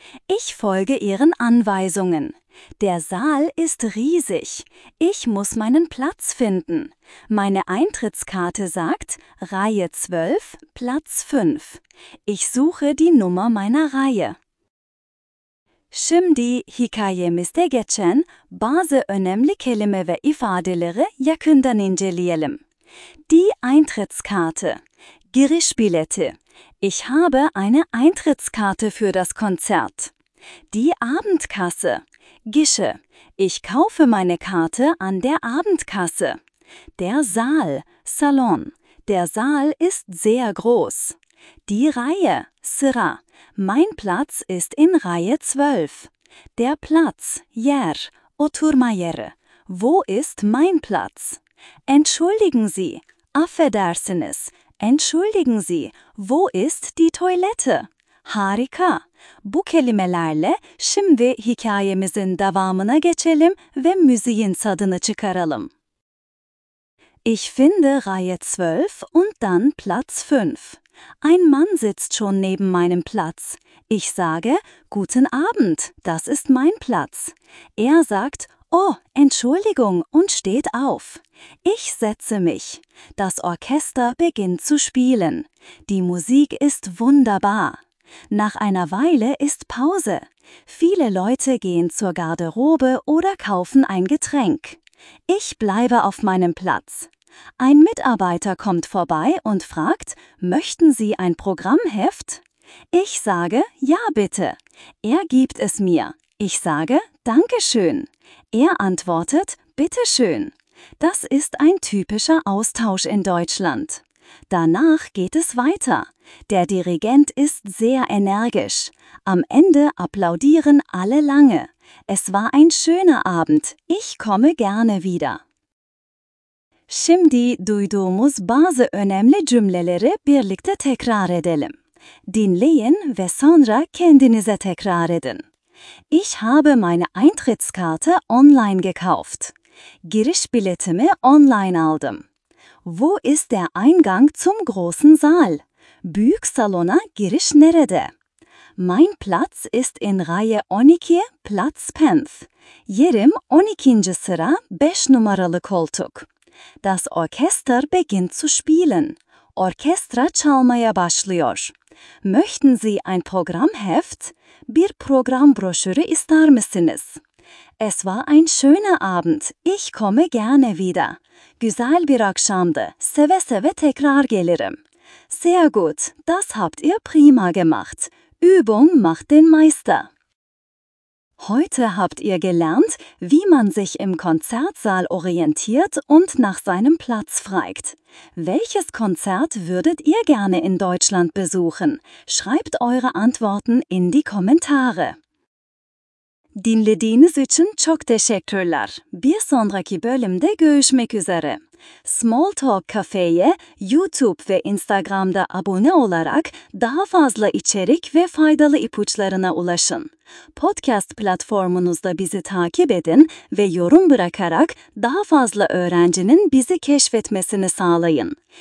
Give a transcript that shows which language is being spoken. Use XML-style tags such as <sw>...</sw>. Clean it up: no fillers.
<de>Ich folge ihren Anweisungen. Der Saal ist riesig. Ich muss meinen Platz finden. Meine Eintrittskarte sagt Reihe 12, Platz 5. Ich suche die Nummer meiner Reihe.</de> <tr>Şimdi hikayemizde geçen bazı önemli kelime ve ifadeleri yakından inceleyelim.</tr> <de>Die Eintrittskarte. Girişbileti. Ich habe eine Eintrittskarte für das Konzert. Die Abendkasse. Gische. Ich kaufe meine Karte an der Abendkasse. Der Saal. Salon. Der Saal ist sehr groß. Die Reihe. Sıra. Mein Platz ist in Reihe 12. Der Platz. Yer.</de> <tr>Oturma yeri.</tr> <de>Wo ist mein Platz? Entschuldigen Sie.</de> <tr>Affedersiniz.</tr> <de>Entschuldigen Sie, wo ist die Toilette?</de> <tr>Harika! Bu kelimelerle şimdi hikayemizin devamına geçelim ve müziğin tadını çıkaralım.</tr> <de>Ich finde Reihe 12 und dann Platz 5. Ein Mann sitzt schon neben meinem Platz. Ich sage, guten Abend, das ist mein Platz. Er sagt, oh, Entschuldigung, und steht auf. Ich setze mich. Das Orchester beginnt zu spielen. Die Musik ist wunderbar. Nach einer Weile ist Pause. Viele Leute gehen zur Garderobe oder kaufen ein Getränk. Ich bleibe auf meinem Platz. Ein Mitarbeiter kommt vorbei und fragt, möchten Sie ein Programmheft? Ich sage, ja bitte. Er gibt es mir. Ich sage, danke schön. Er antwortet, bitte schön. Das ist ein typischer Austausch in Deutschland. Danach geht es weiter. Der Dirigent ist sehr energisch. Am Ende applaudieren alle lange. Es war ein schöner Abend. Ich komme gerne wieder.</de> <tr>Şimdi duyduğumuz bazı önemli cümleleri birlikte tekrar edelim. Dinleyin ve sonra kendinize tekrar edin.</tr> <de>Ich habe meine Eintrittskarte online gekauft.</de> <tr>Girişbiletimi online aldım.</tr> <de>Wo ist der Eingang zum großen Saal?</de> <tr>Büyük salona giriş nerede?</tr> <de>Mein Platz ist in Reihe 12, Platz 5.</de> <tr>Yerim 12. sıra, 5 numaralı koltuk.</tr> <de>Das Orchester beginnt zu spielen.</de> <tr>Orkestra çalmaya başlıyor.</tr> <de>Möchten Sie ein Programmheft?</de> <tr>Bir program broşürü ister misiniz?</tr> <de>Es war ein schöner Abend. Ich komme gerne wieder.</de> <tr>Güzel bir akşamdı. Seve seve tekrar gelirim.</tr> <de>Sehr gut. Das habt ihr prima gemacht. Übung macht den Meister. Heute habt ihr gelernt, wie man sich im Konzertsaal orientiert und nach seinem Platz fragt. Welches Konzert würdet ihr gerne in Deutschland besuchen? Schreibt eure Antworten in die Kommentare.</de> <tr>Dinlediğiniz için çok teşekkürler. Bir sonraki bölümde görüşmek üzere. Smalltalk Cafe'ye YouTube ve Instagram'da abone olarak daha fazla içerik ve faydalı ipuçlarına ulaşın. Podcast platformunuzda bizi takip edin ve yorum bırakarak daha fazla öğrencinin bizi keşfetmesini sağlayın.</tr>